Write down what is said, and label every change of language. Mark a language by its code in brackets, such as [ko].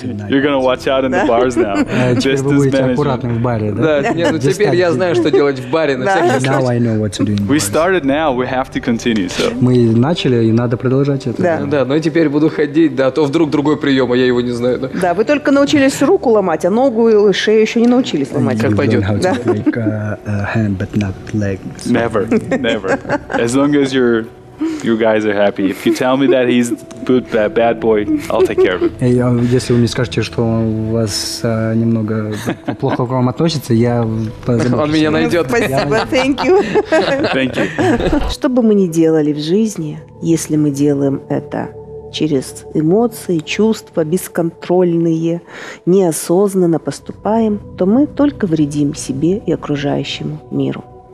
[en] You're gonna watch out in the bars now. [ru] Теперь вы будете аккуратны в баре, да? Да, ну теперь я знаю, что делать в баре. [en] Now I know what to do in bars. We started now, we have to continue. [ru] Мы начали, и надо продолжать это. Да, ну и теперь буду ходить, да, то вдруг другой прием, а я его не знаю. Да, вы только научились руку ломать, а ногу и шею еще не научились ломать. Как пойдет. [en] You learned how to break a hand, but not leg. Never, never. As long as you guys are happy. If you tell me that he's good, bad boy, I'll take care of him. [ru] Если вы мне скажете, что у вас немного плохо к вам относится, я позабочусь. Он меня найдет. Спасибо, [en] thank you. Thank you. [ru] Что бы мы ни делали в жизни, если мы делаем это через эмоции, чувства бесконтрольные, неосознанно поступаем, то мы только вредим себе и окружающему миру.